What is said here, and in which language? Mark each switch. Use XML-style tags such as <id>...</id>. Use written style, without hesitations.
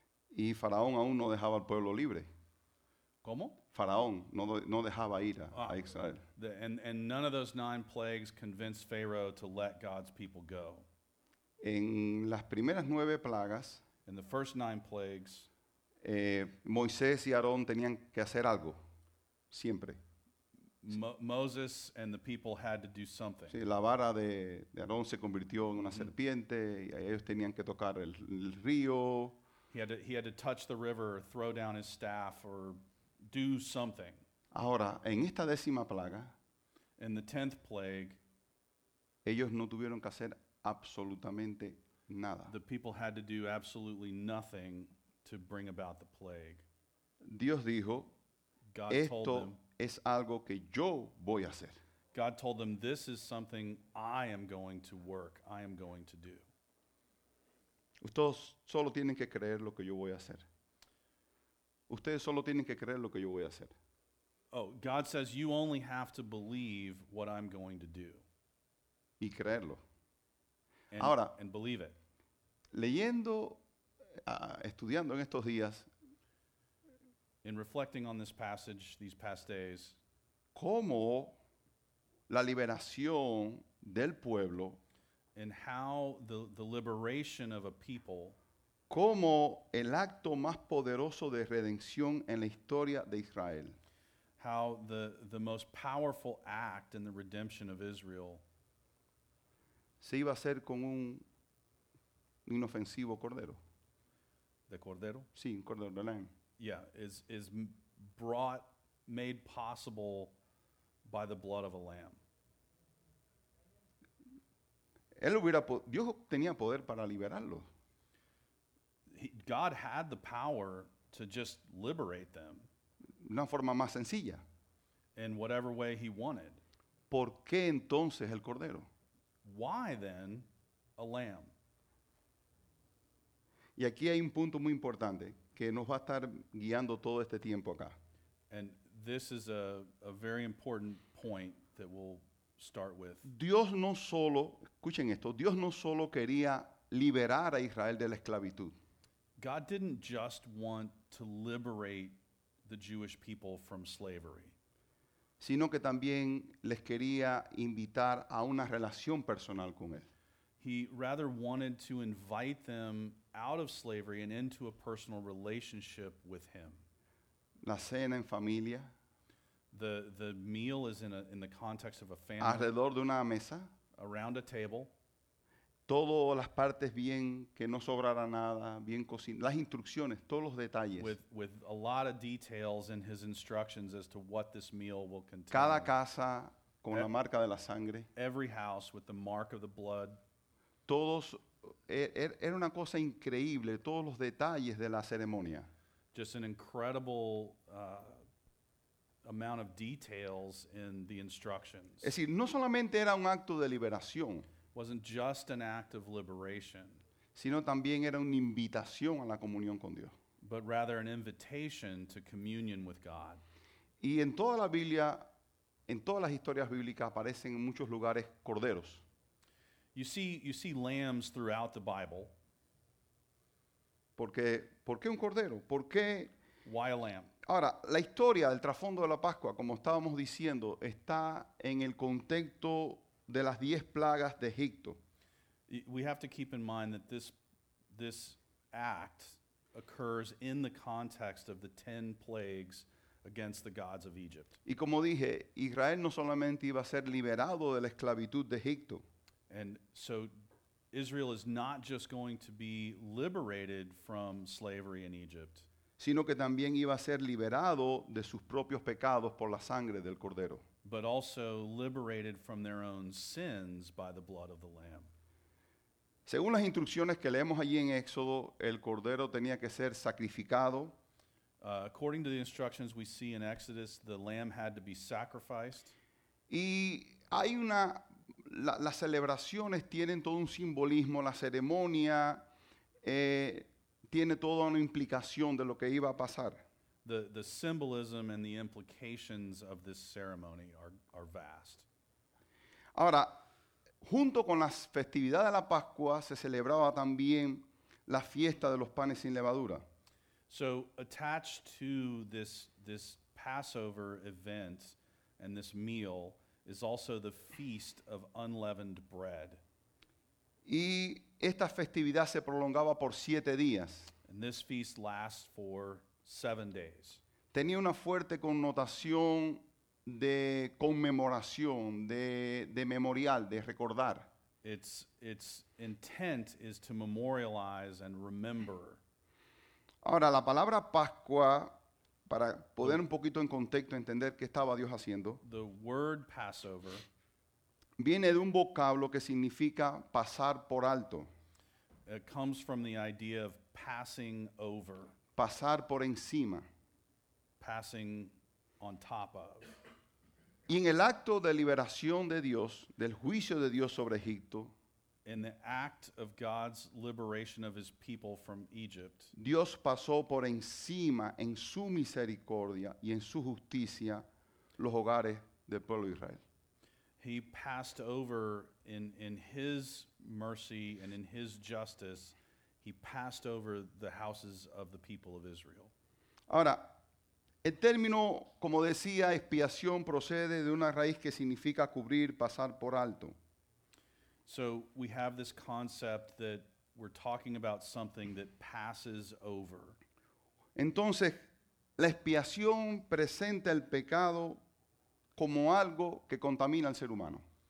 <es>Y Faraón aún no dejaba al pueblo libre. ¿Cómo? Faraón no dejaba ir a Israel.</es> <en>And none of those nine plagues convinced Pharaoh to let God's people go.</en> <es>En las primeras nueve plagas,</es> <en>in the first nine plagues,</en> <es>Moisés y Aarón tenían que hacer algo, siempre.</es> <en>Moses and the people had to do something.</en> <es>Sí, la vara de Aarón se convirtió en una serpiente, y ellos tenían que tocar el río.</es> <en>He had to touch the river, or throw down his staff, or do something.</en> <es>Ahora, en esta décima plaga,</es> <en>in the tenth plague,</en> <es>ellos no tuvieron que hacer absolutamente nada.</es> <en>The people had to do absolutely nothing to bring about the plague.</en> <es>Dios dijo, God esto</es> <en>told them,</en> <es>es algo que yo voy a hacer.</es> <en>God told them, this is something I am going to work, I am going to do.</en> <es>Ustedes solo tienen que creer lo que yo voy a hacer. Ustedes solo tienen que creer lo que yo voy a hacer.</es> <en>Oh, God says you only have to believe what I'm going to do.</en> <es>Y creerlo.</es> <en>And,</en> <es>ahora,</es> <en>and believe it.</en> <es>Leyendo, estudiando en estos días,</es> <en>in reflecting on this passage these past days,</en> <es>cómo la liberación del pueblo,</es> <en>and how the liberation of a people,</en> <es>como el acto más poderoso de redención en la historia de Israel.</es> <en>How the most powerful act in the redemption of Israel</en> <es>se iba a hacer con un inofensivo cordero. ¿De cordero? Sí, un cordero de lamb.</es> <en>Yeah, is brought, made possible by the blood of a lamb.</en> <es>Él hubiera, Dios tenía poder para liberarlo.</es> <en>God had the power to just liberate them.</en> <es>Una forma más sencilla.</es> <en>In whatever way he wanted.</en> <es>¿Por qué entonces el cordero?</es> <en>Why then a lamb?</en> <es>Y aquí hay un punto muy importante que nos va a estar guiando todo este tiempo acá.</es> <en>And this is a very important point that we'll start with.</en> <es>Dios no solo, escuchen esto, Dios no solo quería liberar a Israel de la esclavitud.</es> <en>God didn't just want to liberate the Jewish people from slavery,</en> <es>sino que también les quería invitar a una relación personal con él.</es> <en>He rather wanted to invite them out of slavery and into a personal relationship with him.</en> <es>La cena en familia.</es> <en>The meal is in the context of a family.</en> <es>Alrededor de una mesa.</es> <en>Around a table.</en> <es>Todas las partes bien, que no sobrara nada, bien cocinadas, las instrucciones, todos los detalles.</es> <en>With a lot of details in his instructions as to what this meal will contain.</en> <es>Cada casa con la marca de la sangre.</es> <en>Every house with the mark of the blood.</en> <es>Todos, era una cosa increíble, todos los detalles de la ceremonia.</es> <en>Just an incredible amount of details in the instructions.</en> <es>Es decir, no solamente era un acto de liberación,</es> <en>wasn't just an act of liberation,</en> <es>sino también era una invitación a la comunión con Dios,</es> <en>but rather an invitation to communion with God.</en> <es>Y en toda la Biblia, en todas las historias bíblicas aparecen en muchos lugares corderos.</es> <en>You see lambs throughout the Bible.</en> <es>¿Por qué un cordero? ¿Por qué?</es> <en>Why a lamb?</en> <es>Ahora, la historia del trasfondo de la Pascua, como estábamos diciendo, está en el contexto de las 10 plagas de Egipto.</es> <en>We have to keep in mind that this act occurs in the context of the 10 plagues against the gods of Egypt.</en> <es>Y como dije, Israel no solamente iba a ser liberado de la esclavitud de Egipto.</es> <en>And so Israel is not just going to be liberated from slavery in Egypt,</en> <es>sino que también iba a ser liberado de sus propios pecados por la sangre del cordero.</es> <en>But also liberated from their own sins by the blood of the lamb.</en> <es>Según las instrucciones que leemos allí en Éxodo, el cordero tenía que ser sacrificado.</es> <en>According to the instructions we see in Exodus, the lamb had to be sacrificed.</en> <es>Y hay una las celebraciones tienen todo un simbolismo, la ceremonia tiene toda una implicación de lo que iba a pasar.</es> <en>The symbolism and the implications of this ceremony are vast.</en> <es>Ahora, junto con las festividades de la Pascua, se celebraba también la fiesta de los panes sin levadura.</es> <en>So, attached to this Passover event and this meal is also the feast of unleavened bread.</en> <es>Y esta festividad se prolongaba por 7 días.</es> <en>And this feast lasts for 7 days.</en> <es>Tenía una fuerte connotación de conmemoración, de memorial, de recordar.</es> <en>Its intent is to memorialize and remember.</en> <es>Ahora, la palabra Pascua, para poder un poquito en contexto entender qué estaba Dios haciendo,</es> <en>the word Passover</en> <es>viene de un vocablo que significa pasar por alto.</es> <en>It comes from the idea of passing over.</en> <es>Pasar por encima.</es> <en>Passing on top of.</en> <es>Y en el acto de liberación de Dios, del juicio de Dios sobre Egipto,</es> <en>in the act of God's liberation of his people from Egypt,</en> <es>Dios pasó por encima en su misericordia y en su justicia los hogares del pueblo de Israel.</es> <en>He passed over in his mercy and in his justice, he passed over the houses of the people of Israel.</en> <es>Ahora, el término, como decía, expiación procede de una raíz que significa cubrir, pasar por alto.</es> <en>So we have this concept that we're talking about something that passes over.</en> <es>Entonces, la expiación presenta el pecado como algo que contamina al ser humano.</es>